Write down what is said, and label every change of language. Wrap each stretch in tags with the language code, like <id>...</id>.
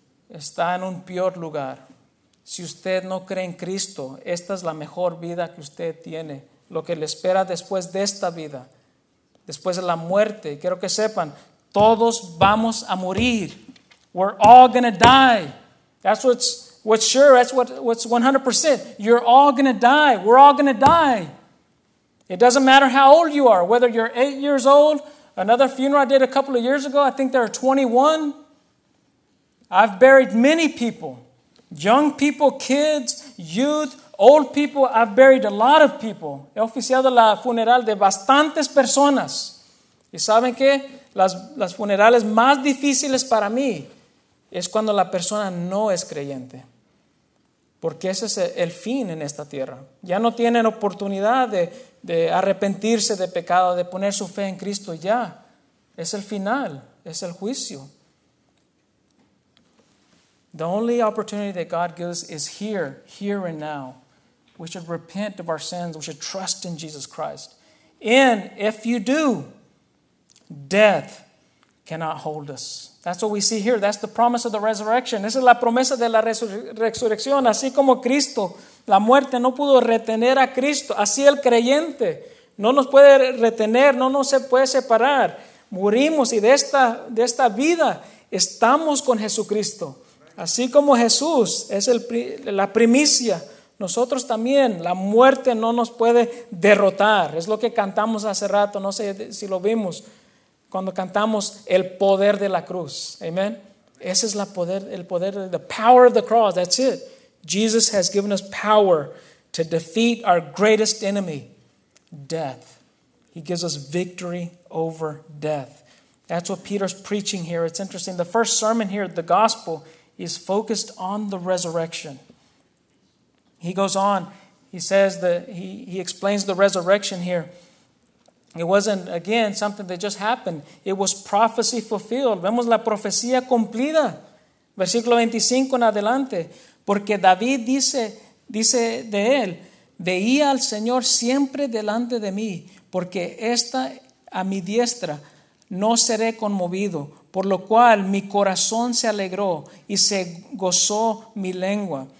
<es>Está en un peor lugar. Si usted no cree en Cristo, esta es la mejor vida que usted tiene. Lo que le espera después de esta vida, después de la muerte. Quiero que sepan, todos vamos a morir.</es> <en>We're all going to die. That's what's sure, that's what's 100%. You're all going to die. We're all going to die. It doesn't matter how old you are, whether you're 8 years old. Another funeral I did a couple of years ago, I think there are 21. I've buried many people. Young people, kids, youth, old people. I've buried a lot of people.</en> <es>He oficiado la funeral de bastantes personas. ¿Y saben qué? Las funerales más difíciles para mí es cuando la persona no es creyente. Porque ese es el fin en esta tierra. Ya no tienen oportunidad de arrepentirse de pecado, de poner su fe en Cristo ya. Es el final, es el juicio.</es> <en>The only opportunity that God gives is here, here and now. We should repent of our sins. We should trust in Jesus Christ. And if you do, death cannot hold us. That's what we see here. That's the promise of the resurrection.</en> <es>Esa es la promesa de la resurrección. Así como Cristo, la muerte no pudo retener a Cristo, así el creyente no nos puede retener, no nos puede separar. Morimos, y de esta vida estamos con Jesucristo. Así como Jesús es la primicia, Nosotros también, la muerte no nos puede derrotar. Es lo que cantamos hace rato, no sé si lo vimos, cuando cantamos el poder de la cruz.</es> <en>Amen.</en> <es>Ese es el poder,</es> <en>the power of the cross, that's it. Jesus has given us power to defeat our greatest enemy, death. He gives us victory over death. That's what Peter's preaching here. It's interesting. The first sermon here, the gospel, is focused on the resurrection. He goes on. He says that he explains the resurrection here. It wasn't, again, something that just happened. It was prophecy fulfilled.</en> <es>Vemos la profecía cumplida. Versículo 25 en adelante. Porque David dice de él, veía al Señor siempre delante de mí, porque está a mi diestra. No seré conmovido, por lo cual mi corazón se alegró y se gozó mi lengua.</es>